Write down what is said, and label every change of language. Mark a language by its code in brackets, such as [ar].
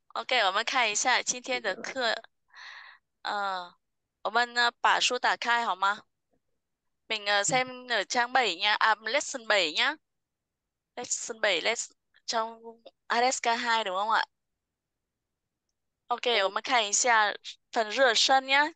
[zh] OK，我们看一下今天的课。我们呢把书打开好吗？ [vi] mình xem ở trang 7 nha, [en] lesson 7 [vi] nhá. [en] Lesson 7, [vi] trong Alaska 2 đúng không ạ? Ok, Ừ. [zh] 我们看一下phần热身nhá.